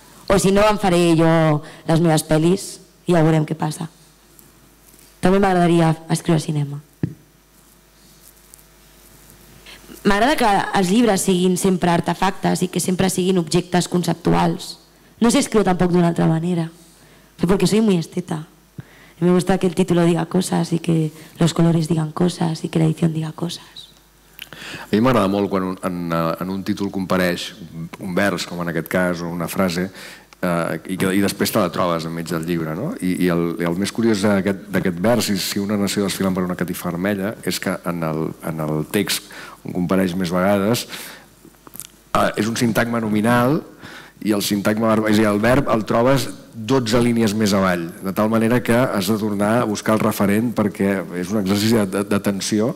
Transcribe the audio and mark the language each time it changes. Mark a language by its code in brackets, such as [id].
[ca] O si no, em faré jo les meves pel·lis i ja veurem què passa. També m'agradaria escriure cinema. M'agrada que els llibres siguin sempre artefactes i que sempre siguin objectes conceptuals. No sé escriure tampoc d'una altra manera, perquè [es] soy muy esteta. Y me gusta que el título diga cosas y que los colores digan cosas y que la edición diga cosas. [ca] A mi m'agrada molt quan en un títol compareix un vers, com en aquest cas, o una frase, i després te la trobes enmig del llibre, no? I el més curiós d'aquest vers, si una nació desfilant per una catifa vermella, és que en el text on compareix més vegades, és un sintagma nominal i el sintagma, és a dir, el verb el trobes 12 línies més avall, de tal manera que has de tornar a buscar el referent perquè és un exercici de tensió.